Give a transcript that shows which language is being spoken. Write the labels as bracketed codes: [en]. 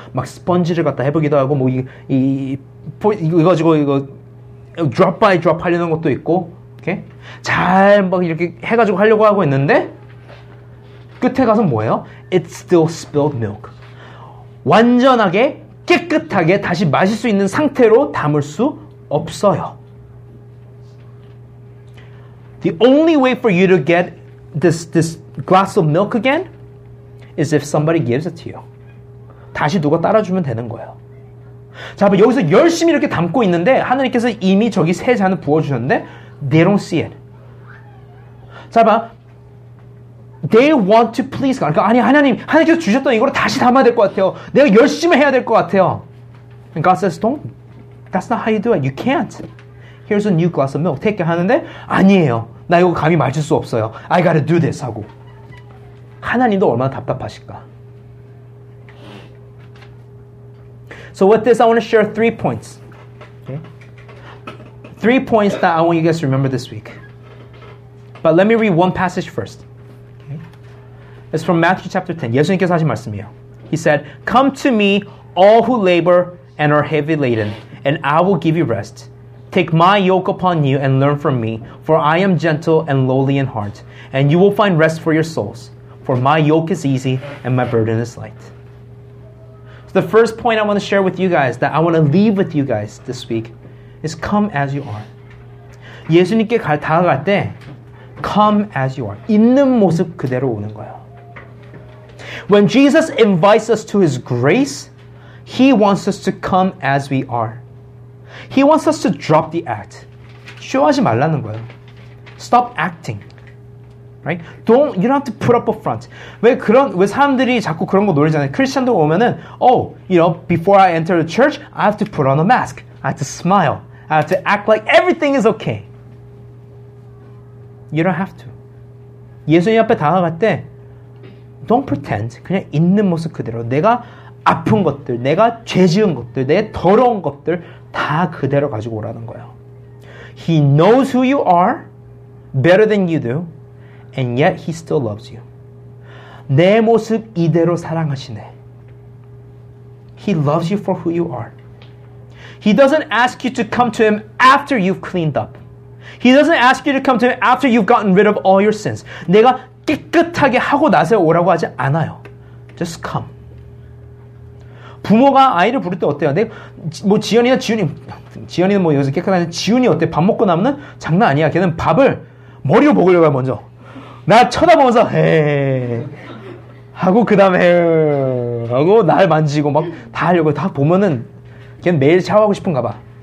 [ko] 막 스펀지를 갖다 해보기도 하고 뭐 이거 [en] 드롭 바이 드롭 [ko] 하려는 것도 있고 이렇게 잘 막 이렇게 해가지고 하려고 하고 있는데 끝에 가서 뭐예요? [en] It's still spilled milk. [ko] 완전하게 깨끗하게 다시 마실 수 있는 상태로 담을 수 없어요. [en] The only way for you to get this glass of milk again is if somebody gives it to you. [ko] 다시 누가 따라주면 되는 거예요. 자, 여기서 열심히 이렇게 담고 있는데 하나님께서 이미 저기 세 잔을 부어주셨는데 [en] they don't see it. [ko] 자, 봐. [en] They want to please God. [ko] 그러니까, 아니, 하나님, 하나님께서 주셨던 이걸 다시 담아야 될 것 같아요. 내가 열심히 해야 될 것 같아요. [en] And God says, don't. That's not how you do it. You can't. Here's a new glass of milk. Take it. [ko] 하는데, 아니에요. 나 이거 감히 마실 수 없어요. [en] I gotta do this. [ko] 하고. 하나님도 얼마나 답답하실까. [en] So with this, I want to share three points. Okay. Three points that I want you guys to remember this week. But let me read one passage first. It's from Matthew chapter 10. [ko] 예수님께서 하신 말씀이에요. [en] He said, Come to me, all who labor and are heavy laden, and I will give you rest. Take my yoke upon you and learn from me, for I am gentle and lowly in heart, and you will find rest for your souls. For my yoke is easy and my burden is light. the first point I want to share with you guys, that I want to leave with you guys this week, is come as you are. [ko] 예수님께 다가갈 때, [en] come as you are. [ko] 있는 모습 그대로 오는 거예요. [en] When Jesus invites us to His grace, He wants us to come as we are. He wants us to drop the act. [ko] 쇼하지 말라는 거예요. [en] Stop acting. Right? Don't, you don't have to put up a front. [ko] 왜 사람들이 자꾸 그런 거 노리잖아요. 크리스천도 오면은, [en] oh, you know, before I enter the church, I have to put on a mask. I have to smile. I have to act like everything is okay. You don't have to. [ko] 예수님 앞에 다가갈 때, [en] don't pretend. [ko] 그냥 있는 모습 그대로. 내가 아픈 것들, 내가 죄 지은 것들, 내 더러운 것들 다 그대로 가지고 오라는 거예요. [en] He knows who you are better than you do, and yet He still loves you. [ko] 내 모습 이대로 사랑하시네. [en] He loves you for who you are. He doesn't ask you to come to Him after you've cleaned up. He doesn't ask you to come to Him after you've gotten rid of all your sins. [ko] 내가 깨끗하게 하고 나서 오라고 하지 않아요. [en] Just come. [ko] 부모가 아이를 부를 때 어때요? 뭐 지연이나 지윤이, 지연이는 뭐 여기서 깨끗하지만 지윤이 어때? 밥 먹고 나면 장난 아니야. 걔는 밥을 머리로 먹으려고 해 먼저. 나 쳐다보면서 헤 하고 그 다음에 하고 날 만지고 막 다 하려고 다 보면은 걔는 매일 샤워하고 싶은가 봐.